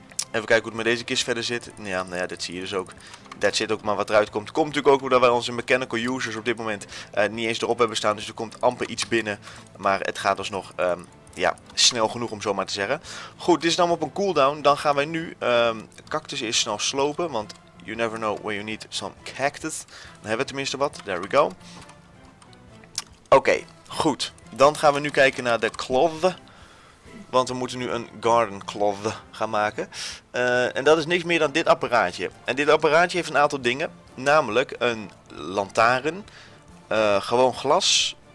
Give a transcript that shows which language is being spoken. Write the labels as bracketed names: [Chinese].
[Dutch] Even kijken hoe het met deze kist verder zit. Ja, nou ja, dit zie je dus ook. Dat zit ook maar wat eruit komt. Komt natuurlijk ook omdat wij onze mechanical users op dit moment niet eens erop hebben staan. Dus er komt amper iets binnen. Maar het gaat alsnog ja, snel genoeg om zomaar te zeggen. Goed, dit is dan op een cooldown. Dan gaan wij nu cactus eerst snel slopen. Want [English] you never know when you need some cactus. [Dutch] Dan hebben we tenminste wat. [English] There we go. [Dutch] Oké, goed. Dan gaan we nu kijken naar de cloth. Want we moeten nu een garden cloth gaan maken. En dat is niks meer dan dit apparaatje. En dit apparaatje heeft een aantal dingen. Namelijk een lantaarn. Gewoon glas.